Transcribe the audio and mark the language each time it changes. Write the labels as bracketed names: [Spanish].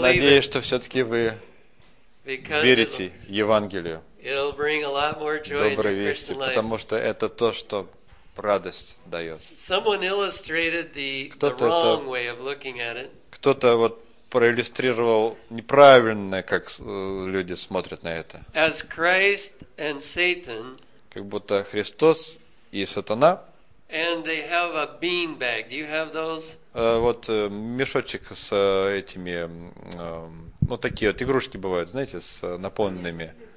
[Russian] Но я надеюсь, что все-таки вы верите Евангелию. [English] It'll bring a lot more joy to your Christian life. [Russian] Потому что это то, что радость дает. [English] Someone illustrated the wrong way of looking at it. [Russian] Кто-то вот проиллюстрировал неправильно, как люди смотрят на это. [English] As Christ and Satan. [Russian] Как будто Христос и сатана. [English] And they have a bean bag. Do you have those? [Russian] Вот мешочек с этими, ну такие вот игрушки бывают, знаете, с наполненными.